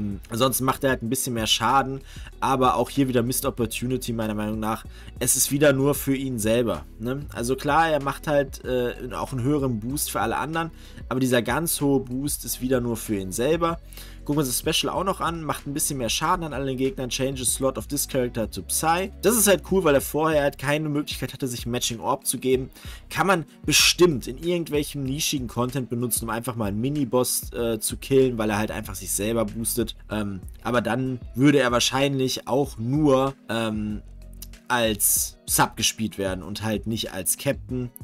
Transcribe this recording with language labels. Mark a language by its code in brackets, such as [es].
[de] Ansonsten macht er halt ein bisschen mehr Schaden. Aber auch hier wieder Missed Opportunity, meiner Meinung nach. Es ist wieder nur für ihn selber. Ne? Also klar, er macht halt auch einen höheren Boost für alle anderen. Aber dieser ganz hohe Boost ist wieder nur für ihn selber. Gucken wir uns das Special auch noch an. Macht ein bisschen mehr Schaden an allen Gegnern. [en] Changes Slot of this Character to Psy. [de] Das ist halt cool, weil er vorher halt keine Möglichkeit hatte, sich Matching Orb zu geben. Kann man bestimmt in irgendwelchem nischigen Content benutzen, um einfach mal einen Mini-Boss zu killen, weil er halt einfach sich selber boostet. Aber dann würde er wahrscheinlich auch nur als Sub gespielt werden und halt nicht als Captain.